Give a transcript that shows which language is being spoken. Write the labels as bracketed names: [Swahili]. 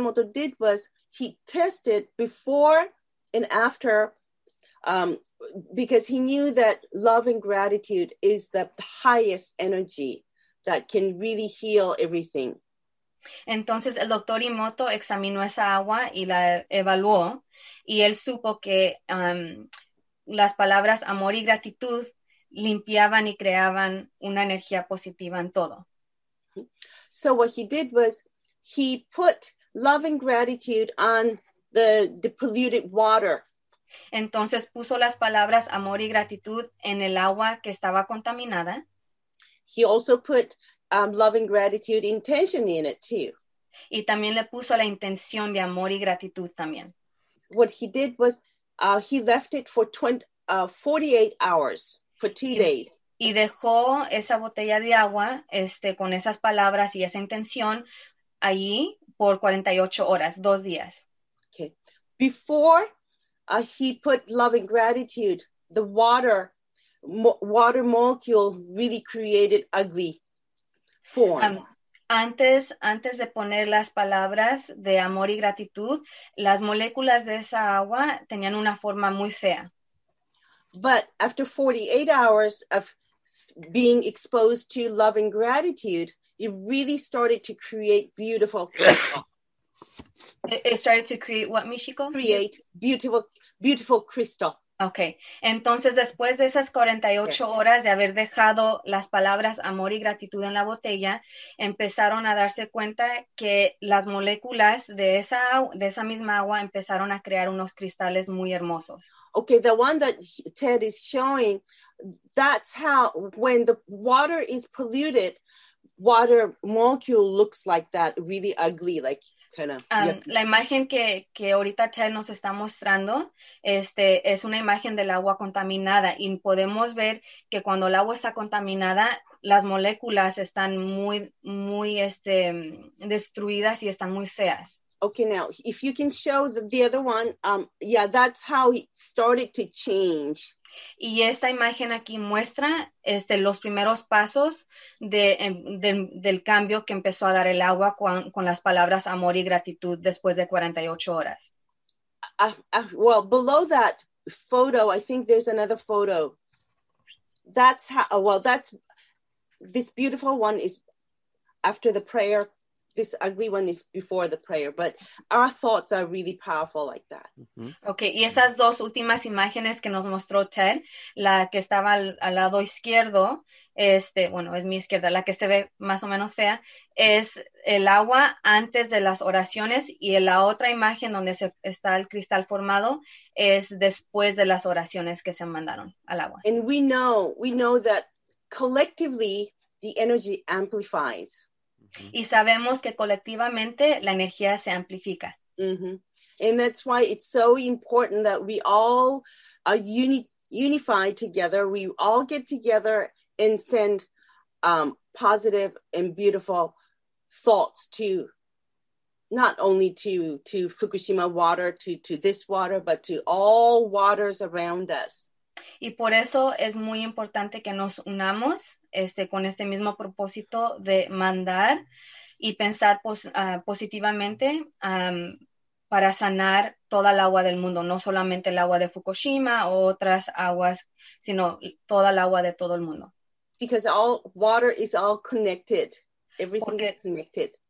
[English] Emoto did was he tested before and after, because he knew that love and gratitude is the highest energy that can really heal everything. [Spanish] Entonces el Dr. Emoto examinó esa agua y la evaluó, y él supo que las palabras amor y gratitud limpiaban y creaban una energía positiva en todo. [English] So what he did was he put love and gratitude on the polluted water. [Spanish] Entonces puso las palabras amor y gratitud en el agua que estaba contaminada. [English] He also put love and gratitude intention in it too. [Spanish] Y también le puso la intención de amor y gratitud también. [English] What he did was he left it for 48 hours for 2 days. [Spanish] Y dejó esa botella de agua, con esas palabras y esa intención allí por 48 horas, 2 días. [English] Okay. Before he put love and gratitude, the water molecule really created ugly form. [Spanish] Antes de poner las palabras de amor y gratitud, las moléculas de esa agua tenían una forma muy fea. [English] But after 48 hours of being exposed to love and gratitude, it really started to create beautiful. It started to create what, Michiko? Create beautiful, beautiful crystal. Okay. [Spanish] Entonces, después de esas 48 horas de haber dejado las palabras amor y gratitud en la botella, empezaron a darse cuenta que las moléculas de esa misma agua empezaron a crear unos cristales muy hermosos. [English] Okay, the one that Ted is showing, that's how, when the water is polluted, water molecule looks like that, really ugly, like kind of. [Spanish] La imagen que ahorita Ted nos está mostrando, es una imagen del agua contaminada, y podemos ver que cuando el agua está contaminada, las moléculas están muy, muy, destruidas y están muy feas. [English] Okay, now, if you can show the other one, yeah, that's how it started to change. [Spanish] Y esta imagen aquí muestra los primeros pasos del cambio que empezó a dar el agua con las palabras amor y gratitud después de 48 horas. [English] Well, below that photo, I think there's another photo that's how, well, that's, this beautiful one is after the prayer. This ugly one is before the prayer, but our thoughts are really powerful like that. Mm-hmm. [Spanish] Okay, y esas dos últimas imágenes que nos mostró Ted, la que estaba al lado izquierdo, bueno, es mi izquierda, la que se ve más o menos fea, es el agua antes de las oraciones, y la otra imagen donde está el cristal formado es después de las oraciones que se mandaron al agua. [English] And we know that collectively the energy amplifies. [Spanish] Y sabemos que colectivamente la energía se amplifica. Mm-hmm. [English] And that's why it's so important that we all are unified together. We all get together and send positive and beautiful thoughts to not only to Fukushima water, to this water, but to all waters around us. [Spanish] Y por eso es muy importante que nos unamos con este mismo propósito de mandar y pensar positivamente para sanar toda el agua del mundo, no solamente el agua de Fukushima o otras aguas, sino toda el agua de todo el mundo. [English] Because all water is all connected. Everything is connected.